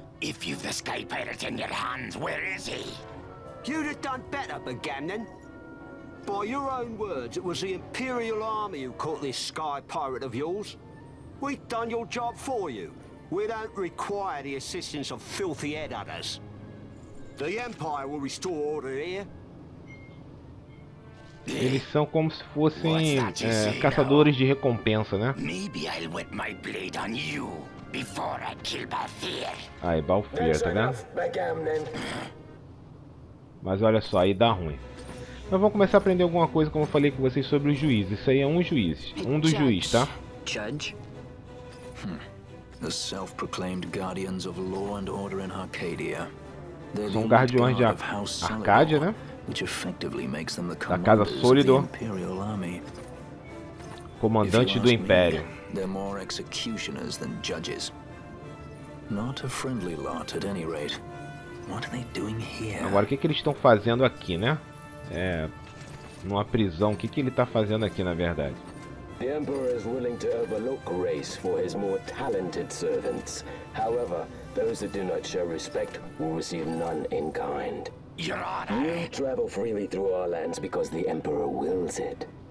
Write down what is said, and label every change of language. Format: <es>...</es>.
<en>If you've the Sky Pirate in your hands, where is he? You'd have done better, Begannon. By your own words, it was the Imperial Army who caught this Sky Pirate of yours. We've done your job for you. We don't require the assistance of filthy headhunters. The Empire will restore order here.</en> <pt>Eles são como se fossem caçadores de recompensa, né?</pt> <en>Maybe I'll wet my blade on you before I kill Balthier.</en> <pt>Aí, Balthier, tá ligado? Mas olha só, aí dá ruim. Nós vamos começar a aprender alguma coisa, como eu falei com vocês, sobre o juiz. Isso aí é um juiz. Um dos juízes, tá? Judge?</pt> <en>The self-proclaimed guardians of law and order in Arcadia.</en> <pt>São guardiões de Arcádia, né?</pt> <en>Which effectively makes them the Imperial Army.</en> <pt>Comandante do Império.</pt> <en>They're more executioners than judges. Not a friendly lot, at any rate. What are they doing here?</en> <pt>Agora, o que eles estão fazendo aqui, né? É, numa prisão. O que ele está fazendo aqui, na verdade?</pt> <en>The Emperor is willing to overlook race for his more talented servants. However, those that do not show respect will receive none in kind. Your honor. You travel freely through our lands because the Emperor wills it.</en>